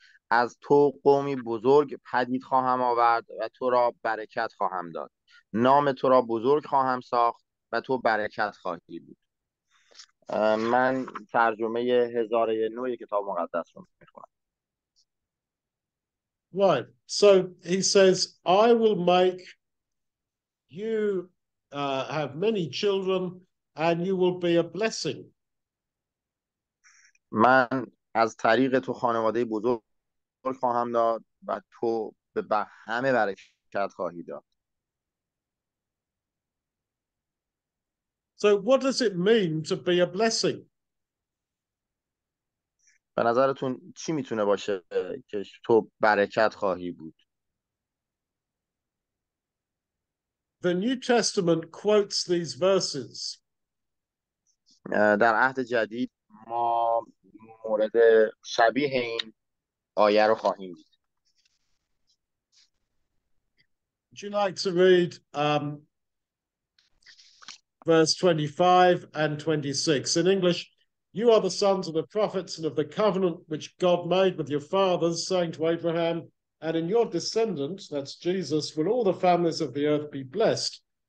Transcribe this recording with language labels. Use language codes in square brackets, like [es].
[fa] از تو قومی بزرگ پدید خواهم آورد و تو را برکت خواهم داد. نام تو را بزرگ خواهم ساخت و تو برکت خواهی بود. من ترجمه هزاره نوی کتاب مقدس رو میخوانم. [en] Right, so he says, I will make you have many children and you will be a blessing. [fa] من از طریق تو خانواده بزرگ خواهم داد و تو به همه برکت خواهی داد. [en] So what does it mean to be a blessing? [fa] به نظرتون چی میتونه باشه که تو برکت خواهی بود؟ [en] The New Testament quotes these verses. [fa] در عهد جدید ما مورد شبیه این آیه رو خواهیم دید. [en] Would you like to read verse 25 and 26 in English? You are the sons of the prophets and of the covenant which God made with your fathers, saying to Abraham, and in your descendant, that's Jesus, will all the families of the earth be blessed.